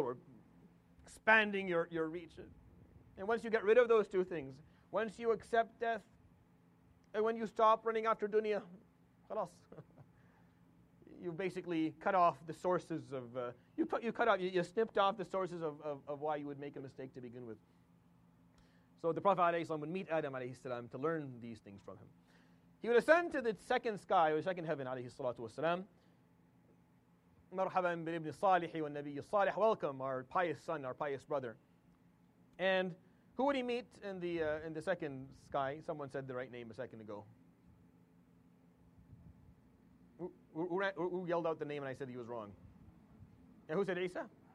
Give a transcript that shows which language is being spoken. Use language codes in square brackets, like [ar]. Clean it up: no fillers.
[en] Or expanding your reach. And once you get rid of those two things, once you accept death, and when you stop running after dunya, khalas, you basically cut off the sources of, you snipped off the sources of why you would make a mistake to begin with. So the Prophet ﷺ would meet Adam ﷺ to learn these things from him. He would ascend to the second sky, or second heaven ﷺ. [ar] مرحبا بالابن الصالح والنبي الصالح. [en] Welcome, our pious son, our pious brother. And who would he meet in the second sky? Someone said the right name a second ago. Who yelled out the name and I said he was wrong? And who said Isa?